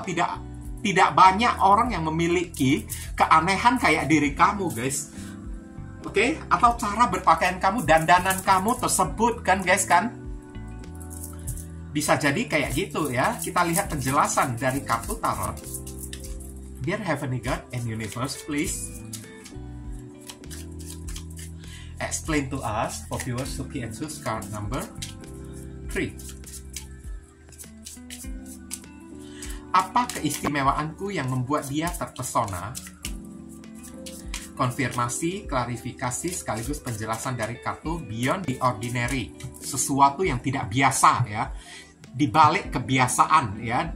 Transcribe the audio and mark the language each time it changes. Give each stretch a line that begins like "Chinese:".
Indonesian: Tidak banyak orang yang memiliki keanehan kayak diri kamu, guys. Oke, atau cara berpakaian kamu, dandanan kamu tersebut, kan guys, kan? Bisa jadi kayak gitu ya. Kita lihat penjelasan dari kartu tarot.
English: Dear Heavenly God and Universe, please explain to us for viewers Suki and Sus card number 3.
Indonesian: Apa keistimewaanku yang membuat dia terpesona? Konfirmasi, klarifikasi, sekaligus penjelasan dari kartu Beyond the Ordinary. Sesuatu yang tidak biasa ya. Di balik kebiasaan ya.